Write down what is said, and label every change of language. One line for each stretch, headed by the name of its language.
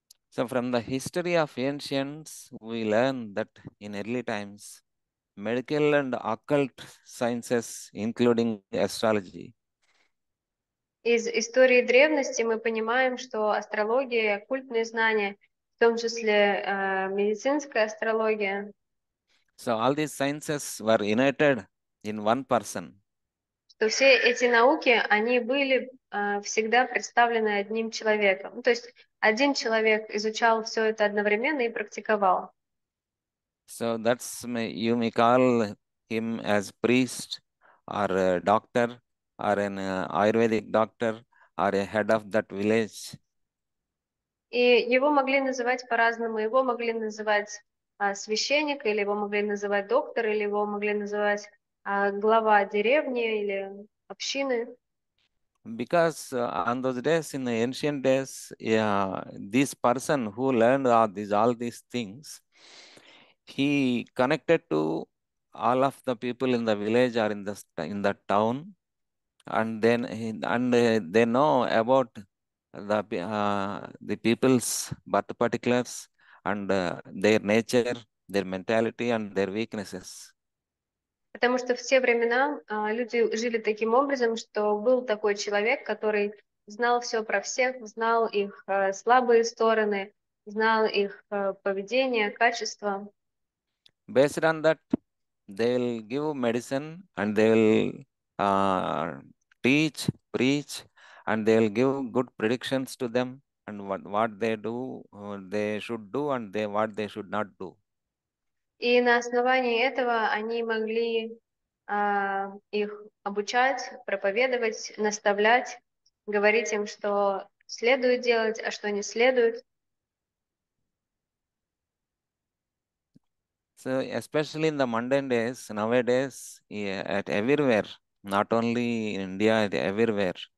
English: So from the history of ancients, we learn that in early times, medical and occult sciences, including astrology.
Russian: Из истории древности мы понимаем, что астрология и оккультные знания, в том числе медицинская астрология.
English: So all these sciences were united in one person.
Russian: Что все эти науки, они были всегда представлены одним человеком. То есть один человек изучал все это одновременно и практиковал.
English: So that's you may call him as priest or a doctor or an Ayurvedic doctor or a head of that village.
Russian: И его могли называть по-разному. Его могли называть священник, или его могли называть доктор, или его могли называть глава деревни или общины.
English: Because on those days, in the ancient days, this person who learned all these things, he connected to all of the people in the village or in the town, and then they know about the people's birth particulars and their nature, their mentality, and their weaknesses.
Russian: Потому что все времена люди жили таким образом, что был такой человек, который знал все про всех, знал их слабые стороны, знал их поведение, качества.
English: Based on that, they'll give medicine and they'll teach, preach, and they'll give good predictions to them and what they do, they should do, and what they should not do.
Russian: И на основании этого они могли их обучать, проповедовать, наставлять, говорить им, что следует делать, а что не следует.
English: So especially in the mundane days, nowadays, yeah, at everywhere, not only in India, at everywhere.